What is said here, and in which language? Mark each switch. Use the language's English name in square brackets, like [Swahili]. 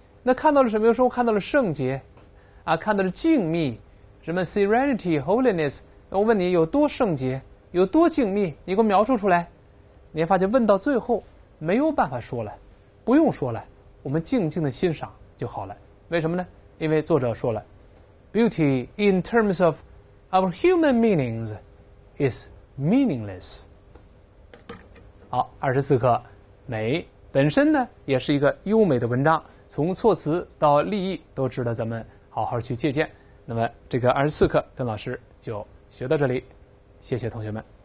[Chinese] 那看到了什么？说看到了圣洁啊，看到了静谧，什么 serenity、 holiness。我问你，有多圣洁，有多静谧，你给我描述出来。你发现问到最后没有办法说了，不用说了，我们静静的欣赏就好了。为什么呢？因为作者说了 [English] Beauty in terms of our human meanings is meaningless。 [Chinese] 好，24课，美本身呢也是一个优美的文章，从措辞到立意都值得咱们好好去借鉴。那么这个24课跟老师就学到这里，谢谢同学们。